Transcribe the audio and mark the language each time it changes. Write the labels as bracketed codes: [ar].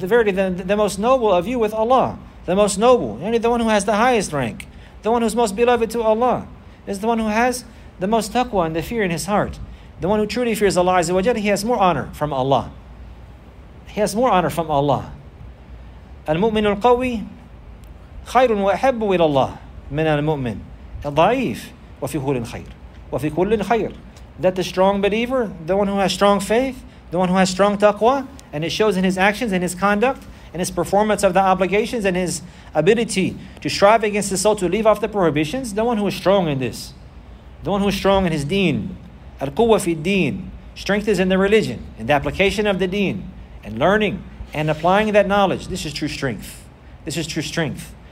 [en] The verity, the most noble of you with Allah, the most noble, the one who has the highest rank, the one who's most beloved to Allah, is the one who has the most taqwa and the fear in his heart. The one who truly fears Allah Azza wa Jalla, he has more honor from Allah. He has more honor from Allah. [ar] المؤمن القوي خير وأحب إلى الله من المؤمن الضعيف وفي كل خير وفي كل خير. [en] That the strong believer, the one who has strong faith, the one who has strong taqwa, and it shows in his actions and his conduct and his performance of the obligations and his ability to strive against the soul to leave off the prohibitions, the one who is strong in this, the one who is strong in his deen, al-quwwa fi deen, strength is in the religion, in the application of the deen, and learning and applying that knowledge. This is true strength.